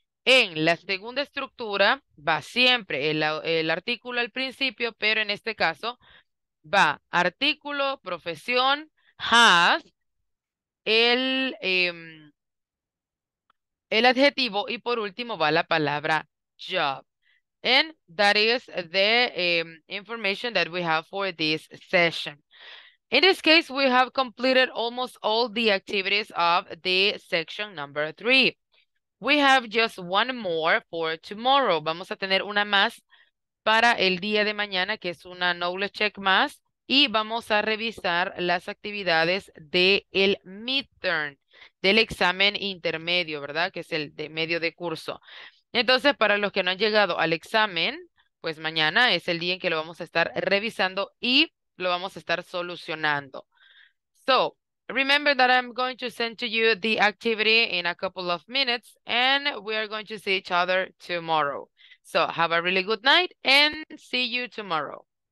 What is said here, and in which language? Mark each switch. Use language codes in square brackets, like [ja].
[es] En la segunda estructura va siempre el artículo al principio, pero en este caso va artículo, profesión, has, el adjetivo y por último va la palabra job. [en] And that is the information that we have for this session. In this case, we have completed almost all the activities of the section number 3. We have just one more for tomorrow. [es] Vamos a tener una más para el día de mañana, que es una knowledge check más. Y vamos a revisar las actividades del midterm, del examen intermedio, ¿verdad? Que es el de medio de curso. Entonces, para los que no han llegado al examen, pues mañana es el día en que lo vamos a estar revisando y lo vamos a estar solucionando. [en] So, remember that I'm going to send to you the activity in a couple of minutes and we are going to see each other tomorrow. So, have a really good night and see you tomorrow.